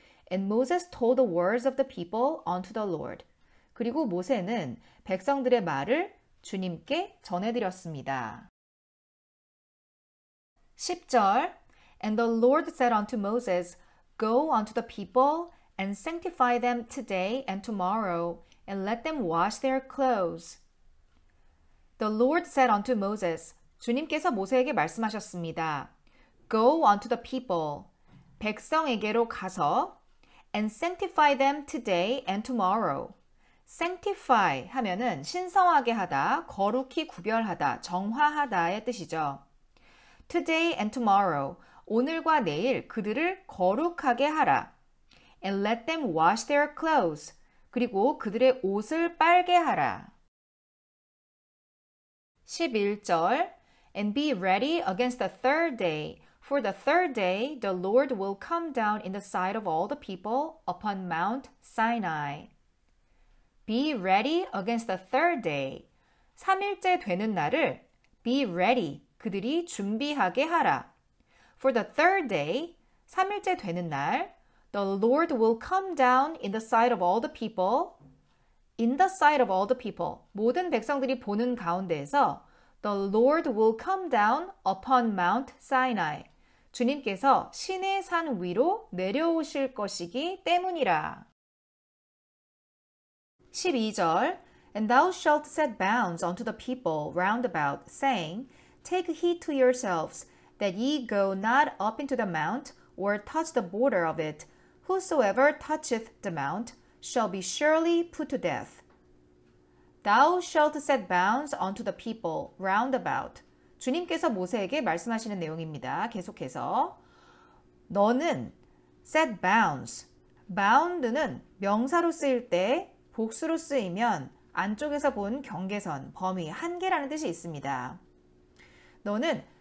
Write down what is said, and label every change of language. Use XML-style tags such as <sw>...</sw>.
<en>And Moses told the words of the people unto the Lord.</en> <ko>그리고 모세는 백성들의 말을 주님께 전해드렸습니다.</ko> <en>10절 And the Lord said unto Moses, Go unto the people, and sanctify them today and tomorrow, and let them wash their clothes. The Lord said unto Moses,</en> <ko>주님께서 모세에게 말씀하셨습니다.</ko> <en>Go unto the people,</en> <ko>백성에게로 가서,</ko> <en>and sanctify them today and tomorrow.</en> <ko>Sanctify 하면은 신성하게 하다, 거룩히 구별하다, 정화하다의 뜻이죠.</ko> <en>Today and tomorrow,</en> <ko>오늘과 내일 그들을 거룩하게 하라.</ko> <en>And let them wash their clothes.</en> <ko>그리고 그들의 옷을 빨게 하라.</ko> <en>11절 And be ready against the third day. For the third day, the Lord will come down in the sight of all the people upon Mount Sinai. Be ready against the third day.</en> <ko>3일째 되는 날을</ko> <en>be ready,</en> <ko>그들이 준비하게 하라.</ko> <en>For the third day,</en> <ko>3일째 되는 날,</ko> <en>the Lord will come down in the sight of all the people. In the sight of all the people,</en> <ko>모든 백성들이 보는 가운데에서</ko> <en>the Lord will come down upon Mount Sinai.</en> <ko>주님께서 신의 산 위로 내려오실 것이기 때문이라.</ko> <en>12절 And thou shalt set bounds unto the people round about, saying, Take heed to yourselves, that ye go not up into the mount, or touch the border of it. Whosoever toucheth the mount shall be surely put to death. Thou shalt set bounds unto the people round about.</en> <ko>주님께서 모세에게 말씀하시는 내용입니다. 계속해서 너는</ko> <en>set bounds.</en> <ko>Bound는 명사로 쓰일 때 복수로 쓰이면 안쪽에서 본 경계선, 범위, 한계라는 뜻이 있습니다. 너는</ko>